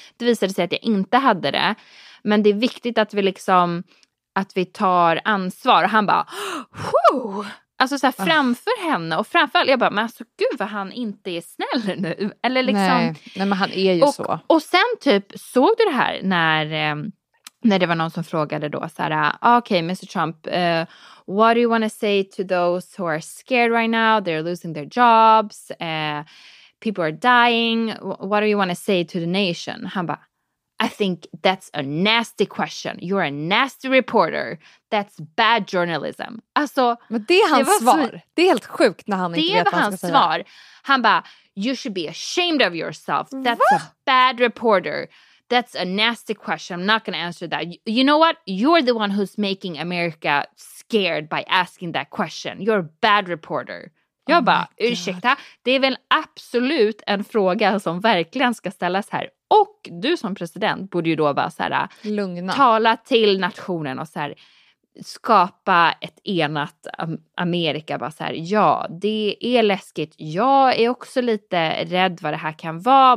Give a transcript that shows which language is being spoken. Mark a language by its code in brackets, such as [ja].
[sv] Det visade sig att jag inte hade det. Men det är viktigt att vi liksom, att vi tar ansvar. Och han bara, whoo. Alltså så här, framför henne och framförallt, jag bara, men alltså gud vad han inte är snäll nu. Eller liksom. Nej men han är ju och, så. Och sen typ såg du det här när det var någon som frågade då så här, okay, Mr. [en] Trump, what do you want to say to those who are scared right now? They're losing their jobs, people are dying, what do you want to say to the nation? Han bara, I think that's a nasty question. You're a nasty reporter. That's bad journalism. Alltså, [sv] men det är hans svar. Det är helt sjukt när han inte vet vad han ska säga. Det var hans svar. [en] Han bara, you should be ashamed of yourself. That's a bad reporter. That's a nasty question. I'm not going to answer that. You know what? You're the one who's making America scared by asking that question. You're a bad reporter. Jag bara, ursäkta. [sv] Det är väl absolut en fråga som verkligen ska ställas här. Och du som president borde ju då bara så här, lugna. Tala till nationen och så här, skapa ett enat Amerika. Bara så här, ja, det är läskigt. Jag är också lite rädd vad det här kan vara.